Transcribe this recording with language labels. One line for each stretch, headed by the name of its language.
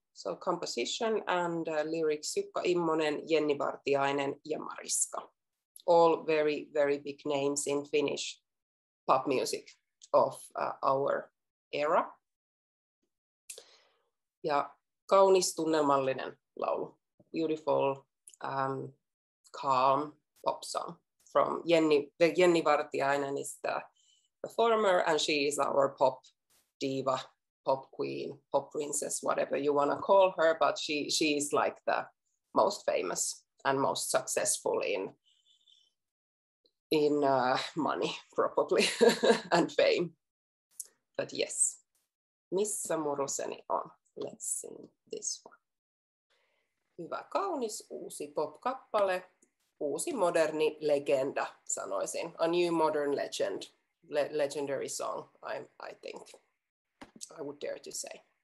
English: So composition and lyrics Jukka Immonen, Jenni Vartiainen ja Mariska. All very, very big names in Finnish pop music of our era.
Finnish: Ja kaunis, tunnelmallinen laulu.
English: Beautiful, calm pop song from Jenni Vartiainen is the performer, and she is our pop diva, pop queen, pop princess, whatever you want to call her, but she is like the most famous and most successful in money, probably, and fame. But yes, Missä muruseni on? Let's sing this one.
Finnish: Hyvä, kaunis, uusi pop-kappale. Uusi, moderni legenda, sanoisin.
English: A new modern legend. Legendary song, I think. I would dare to say.